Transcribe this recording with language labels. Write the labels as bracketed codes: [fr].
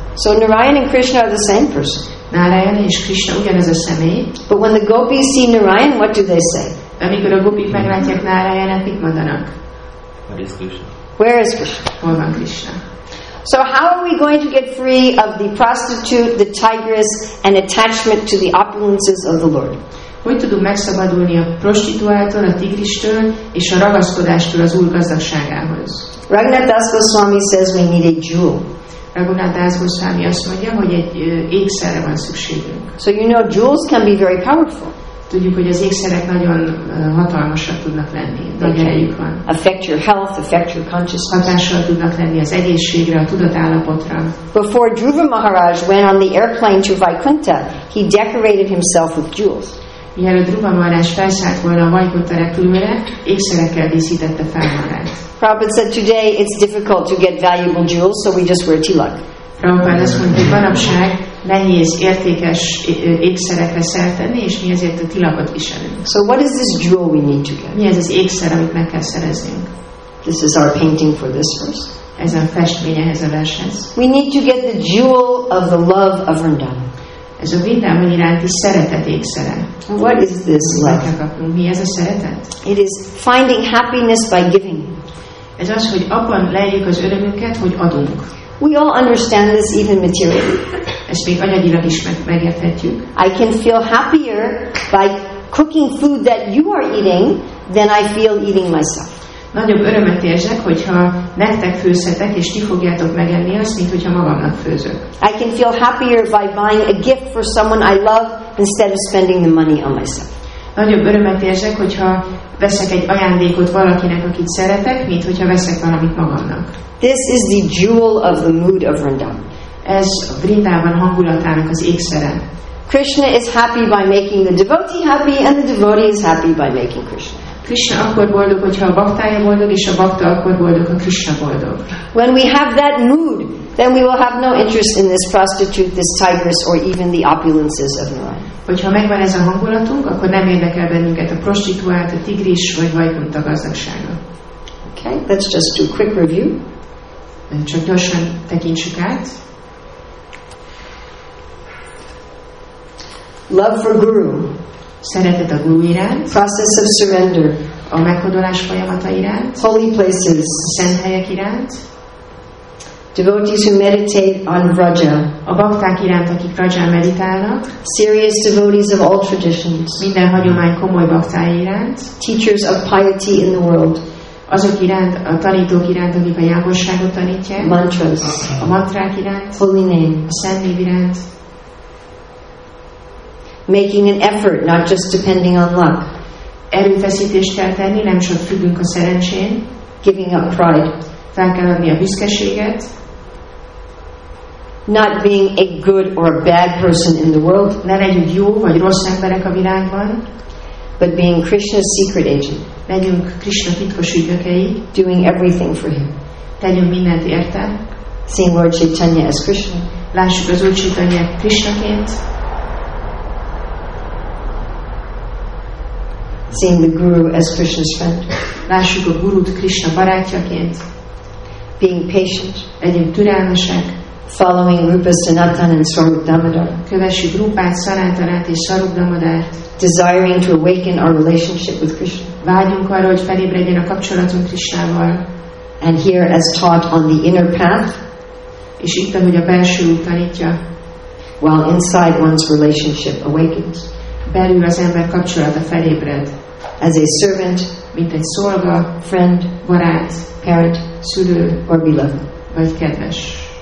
[en] So Narayan and Krishna are the same person. [hu] Narayan és Krishna ugyanaz a személy. [en] But when the gopis see Narayan, what do they say? [hu] Amikor a gopik meglátják Narayanát, mit mondanak? [en] What is Krishna? Where is Krishna? [hu] Hol van Krishna? [en] So how are we going to get free of the prostitute, the tigress, and attachment to the opulences of the Lord? [hu] Hogy tudunk megszabadulni a prostituáltól, a tigristől, és a ragaszkodástól az Úr gazdagságához? [en] Raghunath Das Goswami says we need a jewel. [hu] Raghunath Das Goswami azt mondja, hogy egy ékszerre van szükségünk. [en] So you know jewels can be very powerful. [hu] Tudjuk, hogy az ékszerek nagyon hatalmasak tudnak lenni, nagy erejük van. [en] Affect your health, affect your consciousness. [hu] Hatással tudnak lenni az egészségre, a tudatállapotra. [en] Before Dhruva Maharaj went on the airplane to Vaikuntha, he decorated himself with jewels. [hu] Mielőtt Dhruva Maharaj felszállt volna a Vaikuntha repülőre, ékszerekkel díszítette fel magát. [en] Prabhupada said today it's difficult to get valuable jewels, so we just wear tilak. [hu] Prabhupada azt mondta, hogy manapság nehéz értékes ékszerekre szert tenni, és mi ezért a tilakot viselünk. [en] So what is this jewel we need to get? [hu] Mi ez az ékszer, amit meg kell szereznünk? [en] This is our painting for this verse. [hu] Ez a festmény ehhez a vershez. [en] We need to get the jewel of the love of Vrindavan. [hu] Ez a Vrindavan iránti szeretet ékszere. [en] What is this love? [hu] Mi ez a szeretet? [en] It is finding happiness by giving. [hu] Ez az, hogy abban lejjük az örömünket, hogy adunk. [en] We all understand this even materially. [hu] Ezt még anyagilag is megérthetjük. [en] I can feel happier by cooking food that you are eating than I feel eating myself. [hu] Nagyobb örömet érzek, hogyha nektek főzhetek, és ti fogjátok megenni azt, mint hogyha magamnak főzök. [en] I can feel happier by buying a gift for someone I love instead of spending the money on myself. [hu] Nagyobb örömet érzek, hogyha veszek egy ajándékot valakinek, akit szeretek, mint hogyha veszek valamit magamnak. [en] This is the jewel of the mood of Vrindavan. [hu] Ez Vrindavan hangulatának az ékszere. [en] Krishna is happy by making the devotee happy, and the devotee is happy by making Krishna. [hu] Krishna akkor boldog, hogyha a baktája boldog, és a bakta akkor boldog, ha Krishna boldog. [en] When we have that mood, then we will have no interest in this prostitute, this tigress, or even the opulences of Narayan. [hu] Hogyha megvan ez a hangulatunk, akkor nem érdekel bennünket a prostituált, a tigris, vagy Vaikuntha gazdagsága. [en] Okay, let's just do a quick review. [hu] Csak gyorsan tekintsük át. [en] Love for guru. [hu] Szeretet a guru iránt. [en] Process of surrender. [hu] A meghódolás folyamata iránt. [en] Holy places. [hu] Szent helyek iránt. [en] Devotees who meditate on Vraja. [hu] A bakták iránt, akik Vrajan meditálnak. [en] Serious devotees of all traditions. [hu] Minden hagyomány komoly baktái iránt. [en] Teachers of piety in the world. [hu] Azok iránt, a tanítók iránt, akik a jávosságot tanítják. [en] Mantras. [hu] A mantrák iránt. [en] Holy name. [hu] A szent név iránt. [en] Making an effort, not just depending on luck. [hu] Erőfeszítést kell tenni, nem csak függünk a szerencsén. [en] Giving up pride. [hu] Fel kell adni a büszkeséget. [en] Not being a good or a bad person in the world. [hu] Ne legyünk jó vagy rossz emberek a világban. [en] But being Krishna's secret agent. [hu] Legyünk Krishna titkos ügynökei. [en] Doing everything for him. [hu] Tegyünk mindent érte. [en] Seeing Lord Chaitanya as Krishna. [hu] Lássuk az Úr Chaitanya Krishnaként. [en] Seeing the guru as Krishna's friend. [hu] Lássuk a gurut Krishna barátjaként. [en] Being patient, [hu] legyünk türelmesek, [en] following Rupa Sanatan and Swarup Damodar. [hu] Kövessük Rupát, Sanatanát és Swarup Damodart. [en] desiring to awaken our relationship with Krishna. [hu] Vágyunk arra, hogy felébredjen a kapcsolatunk Krisnával. [en] And here, as taught on the inner path, [hu] és itt, ahogy a belső út tanítja, [en] while inside one's relationship awakens, [hu] belül az ember kapcsolata felébred, [en] as a servant, [hu] mint egy szolga, [en] friend, [hu] barát, [en] parent, [hu] szülő, [en] or beloved, [hu] vagy kedves.